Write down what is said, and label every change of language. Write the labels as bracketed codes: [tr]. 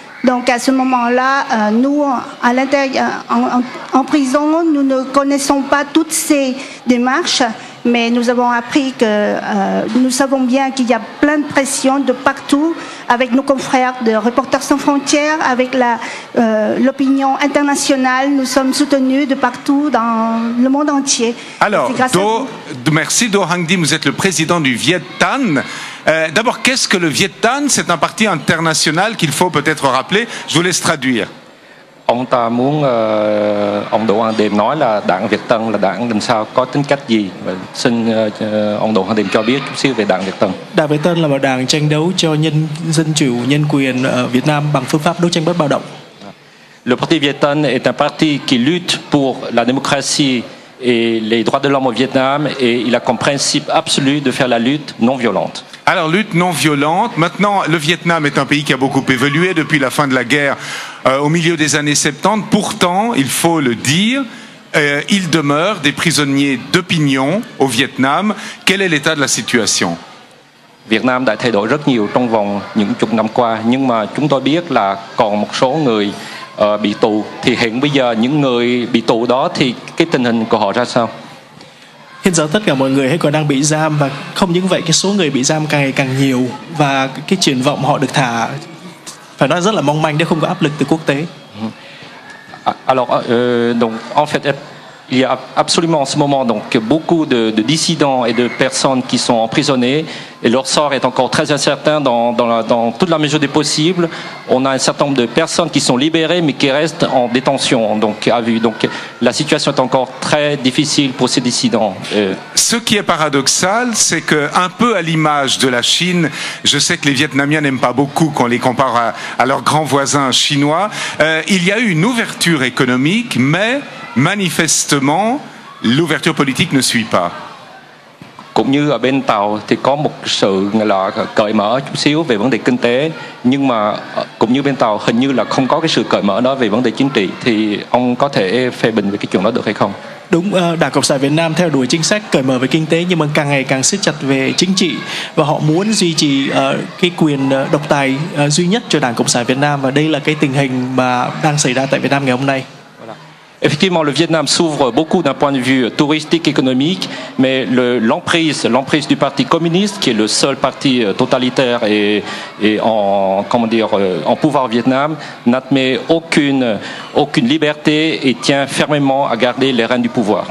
[fr] Donc à ce moment-là, nous, à l'intérieur, en prison, nous ne connaissons pas toutes ces démarches, mais nous avons appris que nous savons bien qu'il y a plein de pressions de partout, avec nos confrères de Reporters sans frontières, avec l'opinion internationale. Nous sommes soutenus de partout dans le monde entier. Alors, merci Do Hang Dim, vous êtes le président du Viet Tan. D'abord, qu'est-ce que le Viet Tan ? C'est un parti international qu'il faut peut-être rappeler. Je vous laisse traduire. [vi] Ông ta muốn ông Đỗ Hoàng Điềm nói là Đảng Việt Tân là đảng làm sao có tính cách gì. Xin ông Đỗ Hoàng Điềm cho biết chút xíu về Đảng Việt Tân. Đảng Việt Tân là một đảng tranh đấu cho nhân dân chủ, nhân quyền ở Việt Nam bằng phương pháp đấu tranh bất bạo động. [fr] Le Parti Viet Tan est un parti qui lutte pour la démocratie et les droits de l'homme au Vietnam et il a comme principe absolu de faire la lutte non violente. Alors, lutte non violente. Maintenant, le Vietnam est un pays qui a beaucoup évolué depuis la fin de la guerre au milieu des années 70. Pourtant, il faut le dire, il demeure des prisonniers d'opinion au Vietnam. Quel est l'état de la situation ? [vi] Việt Nam đã thay đổi rất nhiều trong vòng những chục năm qua, nhưng mà chúng tôi biết là còn một số người bị tù. Thì hiện bây giờ những người bị tù đó thì cái tình hình của họ ra sao? Hiện giờ tất cả mọi người hay còn đang bị giam và không những vậy cái số người bị giam càng ngày càng nhiều và cái triển vọng họ được thả phải nói rất là mong manh nếu không có áp lực từ quốc tế. [fr] Alors donc en fait il y a absolument en ce moment donc beaucoup de dissidents et de personnes qui sont emprisonnées et leur sort est encore très incertain dans toute la mesure des possibles. On a un certain nombre de personnes qui sont libérées mais qui restent en détention donc à vue. Donc la situation est encore très difficile pour ces dissidents. Ce qui est paradoxal, c'est que un peu à l'image de la Chine, je sais que les Vietnamiens n'aiment pas beaucoup qu'on les compare à leurs grands voisins chinois, il y a eu une ouverture économique mais manifestement, l'ouverture politique ne suit pas. [vi] Cũng như ở bên Tàu thì có một sự là cởi mở chút xíu về vấn đề kinh tế, nhưng mà cũng như bên Tàu hình như là không có cái sự cởi mở đó về vấn đề chính trị, thì ông có thể phê bình về cái chuyện đó được hay không? Đúng, Đảng Cộng sản Việt Nam theo đuổi chính sách cởi mở về kinh tế nhưng mà càng ngày càng siết chặt về chính trị và họ muốn duy trì cái quyền độc tài duy nhất cho Đảng Cộng sản Việt Nam và đây là cái tình hình mà đang xảy ra tại Việt Nam ngày hôm nay. [fr] Effectivement, le Vietnam s'ouvre beaucoup d'un point de vue touristique, économique, mais l'emprise du Parti communiste, qui est le seul parti totalitaire et en pouvoir au Vietnam, n'admet aucune liberté et tient fermement à garder les rênes du pouvoir.